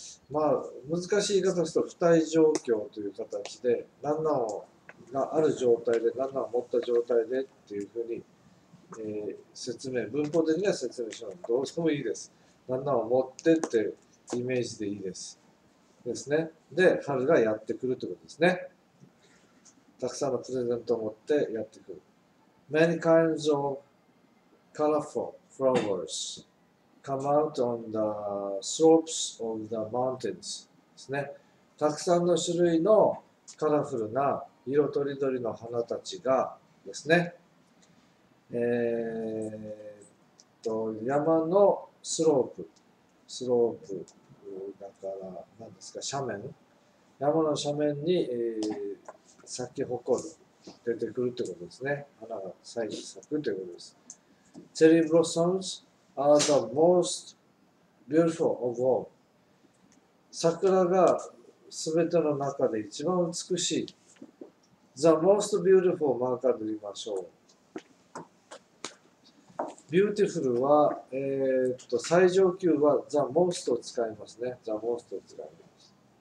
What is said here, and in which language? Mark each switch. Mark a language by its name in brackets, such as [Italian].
[Japanese] まあ、難しい言い方すると、付帯状況という形で、なんなんがある状態で、なんなんを持った状態でっていうふうに、説明、文法的には説明しますどうしてもいいです。なんなんを持ってってイメージでいいです。ですね。で、春がやってくるということですね。たくさんのプレゼントを持ってやってくる。 [English] Many kinds of colorful flowers come out on the slopes of the mountains. [Japanese] ですね。たくさんの種類のカラフルな色とりどりの花たちがですね、山のスロープ、スロープだから何ですか、斜面、山の斜面に、咲き誇る。出てくるってことですね。花が咲くってことです。 [English] Cherry blossoms are the most beautiful of all. [Japanese] 桜が全ての中で一番美しい。 [English] The most beautiful [Japanese] マーカーで見ましょう。 Beautiful は、最上級は The most を使いますね。The most を使います。